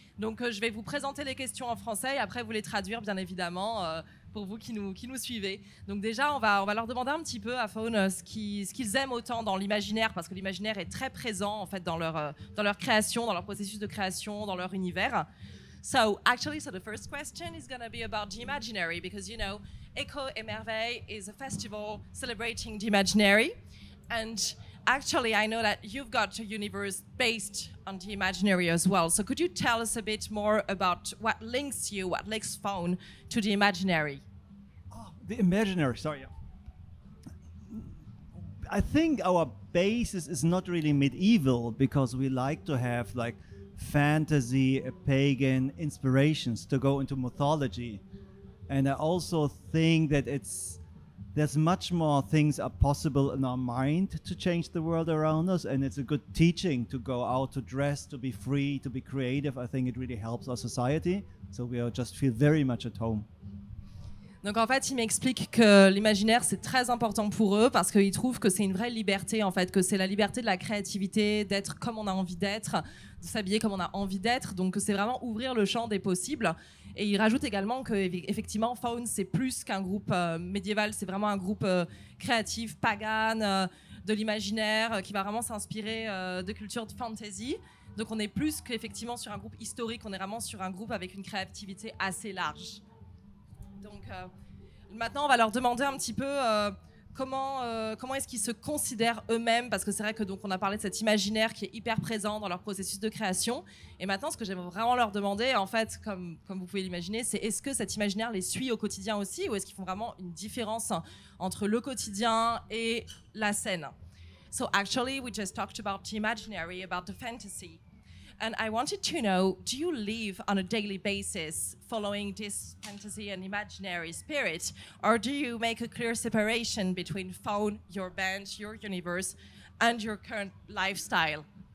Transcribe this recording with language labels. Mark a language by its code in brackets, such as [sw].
[fr] Donc je vais vous présenter les questions en français et après vous les traduire bien évidemment pour vous qui nous suivez. Donc déjà on va leur demander un petit peu à Faun ce qu'ils aiment autant dans l'imaginaire, parce que l'imaginaire est très présent en fait dans leur création, dans leur processus de création, dans leur univers. [en] So the first question is going to be about the imaginary, because you know Echo et Merveille is a festival celebrating the imaginary. And actually, I know that you've got a universe based on the imaginary as well. So could you tell us a bit more about what links you, what links Faun to the imaginary? Oh, the imaginary, sorry. I think our basis is not really medieval, because we like to have like fantasy, pagan inspirations to go into mythology. And I also think that there's much more things are possible in our mind to change the world around us. And it's a good teaching to go out, to dress, to be free, to be creative. I think it really helps our society. So we all just feel very much at home. [fr] Donc en fait, il m'explique que l'imaginaire, c'est très important pour eux parce qu'ils trouvent que c'est une vraie liberté, en fait, que c'est la liberté de la créativité, d'être comme on a envie d'être, de s'habiller comme on a envie d'être. Donc c'est vraiment ouvrir le champ des possibles. Et il rajoute également qu'effectivement, Faun, c'est plus qu'un groupe médiéval, c'est vraiment un groupe créatif, pagan, de l'imaginaire, qui va vraiment s'inspirer de cultures de fantasy. Donc on est plus qu'effectivement sur un groupe historique, on est vraiment sur un groupe avec une créativité assez large. Donc maintenant, on va leur demander un petit peu comment est-ce qu'ils se considèrent eux-mêmes, parce que c'est vrai que donc on a parlé de cet imaginaire qui est hyper présent dans leur processus de création. Et maintenant, ce que j'aimerais vraiment leur demander, en fait, comme vous pouvez l'imaginer, c'est est-ce que cet imaginaire les suit au quotidien aussi, ou est-ce qu'ils font vraiment une différence entre le quotidien et la scène? [en] So actually, we just talked about the imaginary, about the fantasy. And I wanted to know, do you live on a daily basis following this fantasy and imaginary spirit, or do you make a clear separation between Faun, your band, your universe, and your current lifestyle?